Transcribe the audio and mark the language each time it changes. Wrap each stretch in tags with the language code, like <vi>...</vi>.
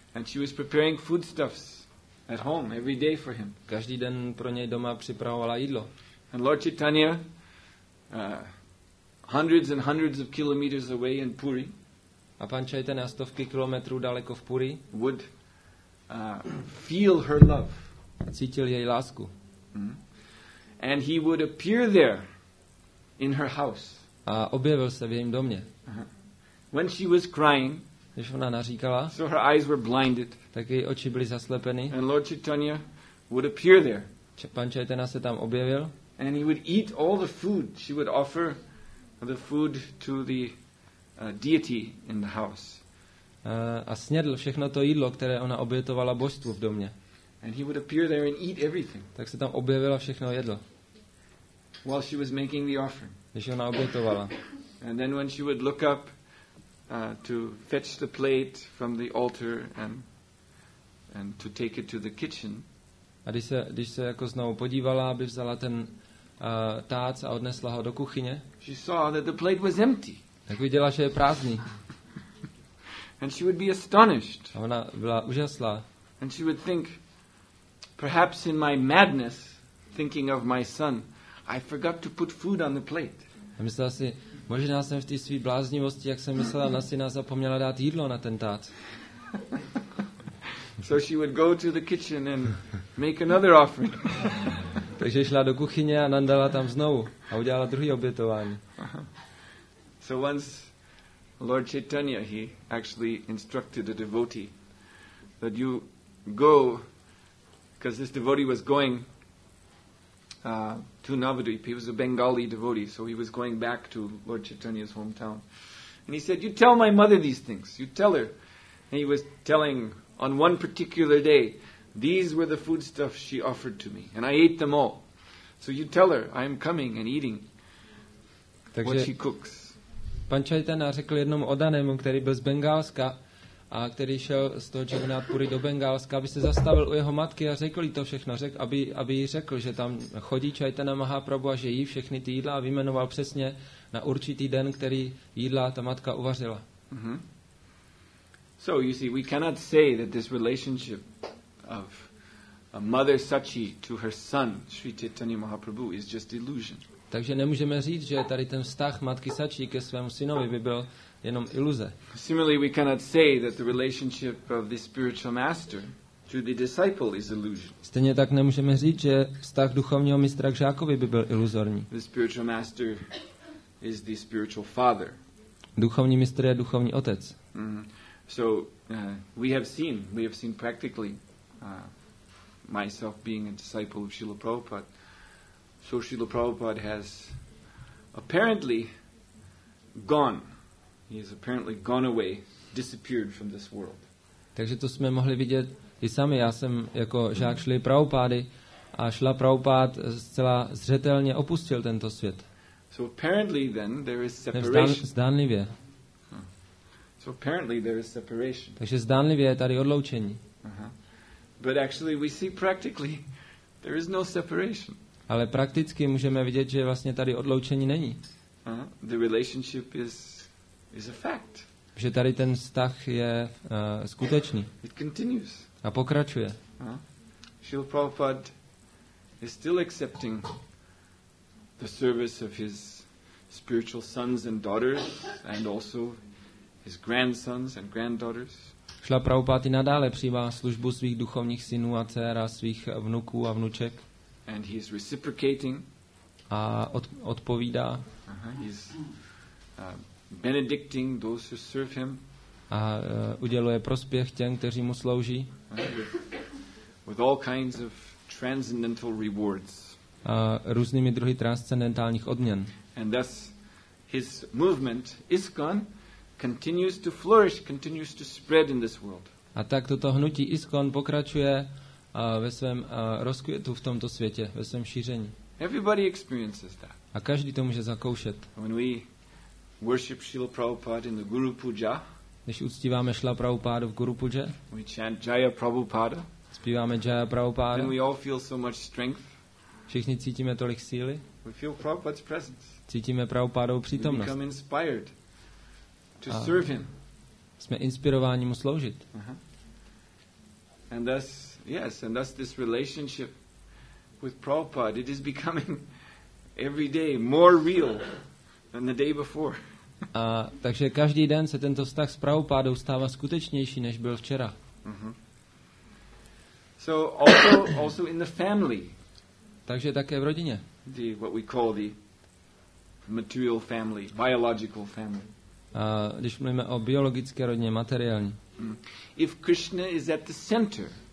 <en>And she was preparing foodstuffs at home every day for him.</en> <cs>Každý den pro něj doma připravovala jídlo.</cs> <en>And Lord Chaitanya hundreds and hundreds of kilometers away in Puri.</en> <cs>A pan Chaitanya stovky kilometrů daleko v Puri</cs> <en>would feel her love.</en> <cs>Cítil její lásku.</cs> <en>And he would appear there in her house.</en> <cs>A objevil se v jejím domě.</cs> <en>When she was crying,</en> <cs>když ona naříkala,</cs> <en>so her eyes were blinded.</en> <cs>Tak její oči byly zaslepeny.</cs> <en>And Lord Chaitanya would appear there.</en> <cs>Pan Chaitanya se tam objevil.</cs> <en>And he would eat all the food. She would offer the food to the deity in the house.</en> <cs>A snědl všechno to jídlo, které ona obětovala božstvu v domě.</cs> <en>And he would appear there and eat everything.</en> <cs>Tak se tam objevila všechno jedlo.</cs> <en>While she was making the offering.</en> <cs>Když ona obětovala.</cs> <en>And then when she would look up to fetch the plate from the altar and to take it to the kitchen.</en> <cs>A když se jako znovu podívala, aby vzala ten tác a odnesla ho do kuchyně.</cs> <en>She saw that the plate was empty.</en> <cs>Tak viděla, že je prázdný.</cs> <en>And she would be astonished.</en> <cs>A ona byla úžasná.</cs> <en>And she would think, perhaps in my madness, thinking of my son, I forgot to put food on the plate.</en> <cs>A myslela si, možná jsem v té své bláznivosti, jak jsem myslela na syna, zapomněla dát jídlo na ten tác.</cs> <en>So she would go to the kitchen and make another offering.</en> <cs>Takže šla do kuchyně a nandala tam znovu a udělala druhý obětování.</cs> <en>So once Lord Chaitanya, he actually instructed a devotee that you go, because this devotee was going to Navadvipa. He was a Bengali devotee, so he was going back to Lord Chaitanya's hometown. And he said, you tell my mother these things. You tell her. And he was telling on one particular day, these were the foodstuffs she offered to me, and I ate them all. So you tell her, I'm coming and eating what she cooks.</en> <cs>Pan Chaitanya řekl jednomu odanému, který byl z Bengálska a který šel z toho Jagannáthpury do Bengálska, aby se zastavil u jeho matky a řekl jí to všechno, aby jí řekl, že tam chodí Chaitanya Mahaprabhu a že jí všechny ty jídla a vyjmenoval přesně na určitý den, který jídla ta matka uvařila.</cs> <en>So you see, we cannot say that this relationship of a mother Sachi to her son, Sri Chaitanya Mahaprabhu, is just illusion.</en> <cs>Takže nemůžeme říct, že tady ten vztah matky Sačí ke svému synovi by byl jenom iluze.</cs> <en>Similarly, we cannot say that the relationship of the spiritual master to the disciple is illusion.</en> <cs>Stejně tak nemůžeme říct, že vztah duchovního mistra k žákovi by byl iluzorní.</cs> <en>The spiritual master is the spiritual father.</en> <cs>Duchovní mistr je duchovní otec.</cs> <en>So we have seen practically myself being a disciple of Srila Prabhupada. So Srila Prabhupada has apparently gone. He has apparently gone away, disappeared from this world.</en> <cs>Takže to jsme mohli vidět i sami. Já jsem jako žák Šli Prabhupády a Šla Prabhupád zcela zřetelně opustil tento svět.</cs> <en>So apparently then there is separation.</en> <cs>Zdánlivě.</cs> <en>So apparently there is separation.</en> <cs>Takže zdánlivě je tady odloučení.</cs> <en>But actually we see practically there is no separation.</en> <cs>Ale prakticky můžeme vidět, že vlastně tady odloučení není.</cs> <en>The relationship is a fact.</en> <cs>Že tady ten vztah je skutečný.</cs> <en>It continues.</en> <cs>A pokračuje.</cs> <en>Srila Prabhupada is still accepting the service of his spiritual sons and daughters and also his grandsons and granddaughters.</en> <cs>Srila Prabhupada nadále přijímá službu svých duchovních synů a dcer a svých vnuků a vnuček.</cs> <en>And he is reciprocating.</en> <cs>A odpovídá.</cs> <en>He's benedicting those who serve him.</en> <cs>A uděluje prospěch těm, kteří mu slouží.</cs> <en>With all kinds of transcendental rewards.</en> <cs>A různými druhy transcendentálních odměn.</cs> <en>And thus his movement ISKCON continues to flourish, continues to spread in this world.</en> <cs>A tak toto hnutí ISKCON pokračuje ve svém rozkvětu v tomto světě, ve svém šíření.</cs> <en>Everybody experiences that.</en> <cs>A každý to může zakoušet.</cs> <en>When we worship Srila Prabhupada in the Guru Puja,</en> <cs>když uctíváme Srila Prabhupádu v Guru Puja,</cs> <en>we chant Jaya Prabhupada,</en> <cs>zpíváme Jaya Prabhupada,</cs> <en>then we all feel so much strength.</en> <cs>Všichni cítíme tolik síly.</cs> <en>We feel Prabhupada's presence.</en> <cs>Cítíme Prabhupádovou přítomnost.</cs> <en>We become inspired to serve him.</en> <cs>Jsme inspirováni mu sloužit.</cs> <en>And thus, yes, and thus this relationship with Prabhupada, it is becoming every day more real than the day before.</en> <cs>A takže každý den se tento vztah s Prabhupádou stává skutečnější než byl včera.</cs> <en>So also in the family.</en> <cs>Takže také v rodině.</cs> <en>The what we call the material family, biological family.</en> <cs>A když mluvíme o biologické rodině, materiální.</cs> <en>If Krishna is at the center.</en>